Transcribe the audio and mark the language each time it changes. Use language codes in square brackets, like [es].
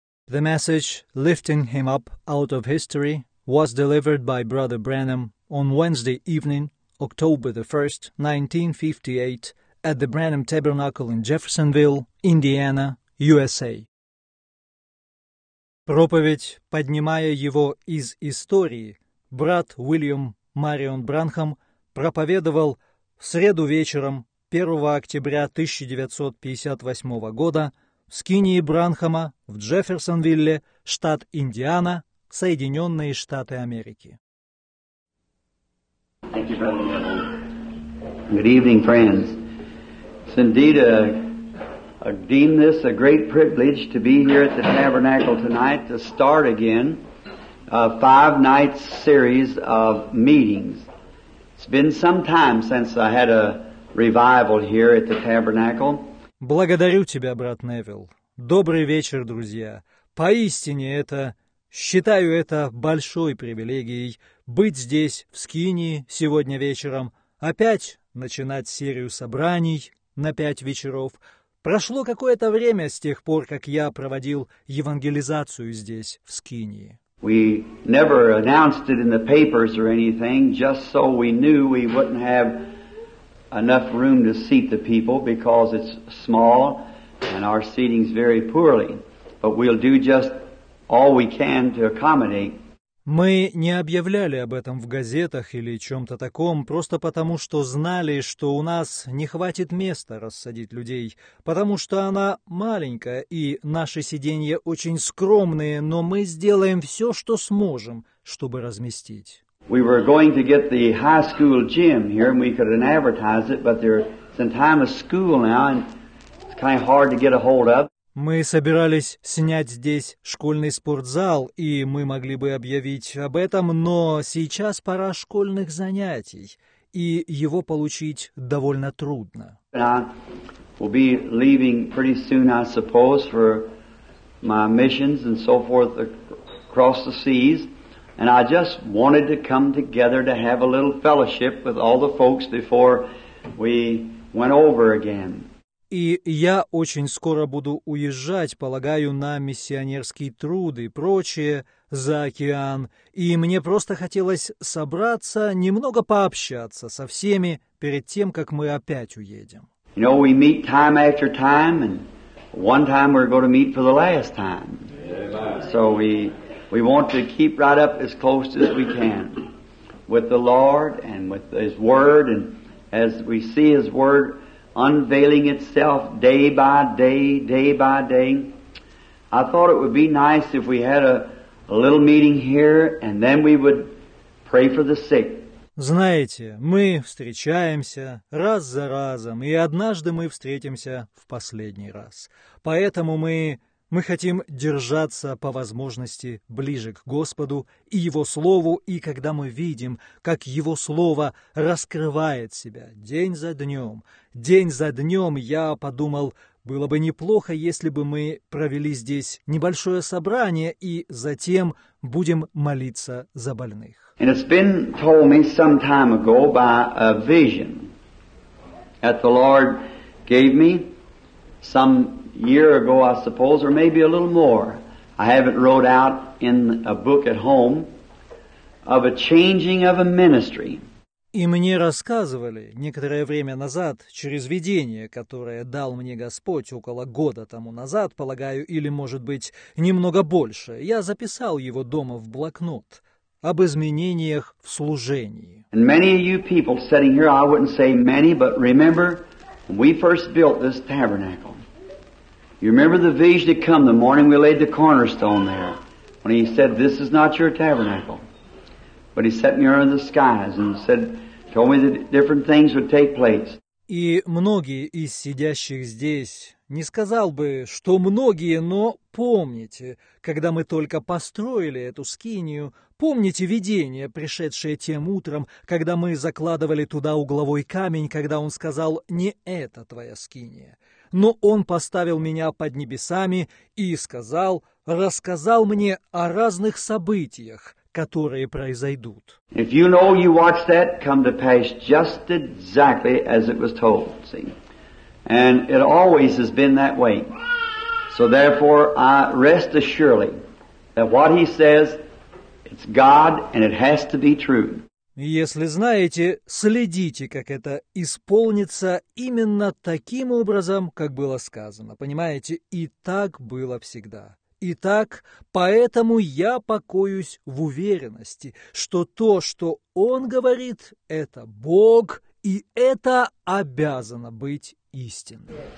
[en] The message, Lifting Him Up Out of History, was delivered by Brother Branham on Wednesday evening, October 1, 1958, at the Branham Tabernacle in Jeffersonville, Indiana, USA. [ru] Проповедь, поднимая его из истории, брат Уильям Марион Бранхам проповедовал в среду вечером 1 октября 1958 года в скинии Бранхама в Джефферсонвилле, штат Индиана, Соединенные Штаты Америки. [en] Good evening, friends. It's indeed I deem this a great privilege to be here at the Tabernacle tonight to start again a five-night series of meetings. It's been some time since I had a revival here at the Tabernacle. [ru] Благодарю тебя, брат Невилл. Добрый вечер, друзья. Поистине это, считаю это большой привилегией быть здесь, в Скинии, сегодня вечером, опять начинать серию собраний на пять вечеров. Прошло какое-то время с тех пор, как я проводил евангелизацию здесь, в Скинии. [en] We never announced it in the papers or anything, just so we knew we wouldn't have enough room to seat the people because it's small. And our seating's very poorly, but we'll do just all we can to accommodate. [ru] Мы не объявляли об этом в газетах или чем-то таком, просто потому что знали, что у нас не хватит места рассадить людей, потому что она маленькая и наши сиденья очень скромные, но мы сделаем все, что сможем, чтобы разместить. [en] We were going to get the high school gym here, and we could advertise it, but there's in time of school now, and kind of hard to get a hold of. [ru] Мы собирались снять здесь школьный спортзал, и мы могли бы объявить об этом, но сейчас пора школьных занятий, и его получить довольно трудно. [en] We'll be leaving pretty soon, I suppose, for my missions and so forth across the seas, and I just wanted to come together to have a little fellowship with all the folks before we went over again. [ru] И я очень скоро буду уезжать, полагаю, на миссионерские труды и прочее за океан. И мне просто хотелось собраться, немного пообщаться со всеми перед тем, как мы опять уедем. [en] You know, we meet time after time, and one time we're going to meet for the last time. So we want to keep right up as close as we can with the Lord and with His Word, and as we see His Word unveiling itself day by day, day by day. I thought it would be nice if we had a little meeting here, and then we would pray for the sick. [ru] Знаете, мы встречаемся раз за разом, и однажды мы встретимся в последний раз. Поэтому мы хотим держаться по возможности ближе к Господу и Его Слову, и когда мы видим, как Его Слово раскрывает себя день за днем, я подумал, было бы неплохо, если бы мы провели здесь небольшое собрание и затем будем молиться за больных. [en] And it's been told me some time ago by a vision that the Lord gave me some year ago, I suppose, or maybe a little more. I have it wrote out in a book at home of a changing of a ministry. [ru] И мне рассказывали некоторое время назад через видение, которое дал мне Господь около года тому назад, полагаю, или, может быть, немного больше. Я записал его дома в блокнот об изменениях в служении. [en] And many of you people sitting here, I wouldn't say many, but remember, when we first built this tabernacle, you remember the vision that come the morning we laid the cornerstone there, when he said, this is not your tabernacle. But he set me under the skies and said, told me that different things would take place. [ru] И многие из сидящих здесь, не сказал бы, что многие, но помните, когда мы только построили эту скинию, помните видение, пришедшее тем утром, когда мы закладывали туда угловой камень, когда он сказал, не это твоя скиния. Но он поставил меня под небесами и сказал, рассказал мне о разных событиях, которые произойдут. [en] If you know you watch that come to pass just exactly as it was told, see. And it always has been that way. So therefore, I rest assuredly that what he says, it's God and it has to be true. [ru] Если знаете, следите, как это исполнится именно таким образом, как было сказано. Понимаете, и так было всегда. Итак, поэтому я покоюсь в уверенности, что то, что он говорит, это Бог, и это обязано быть истиной.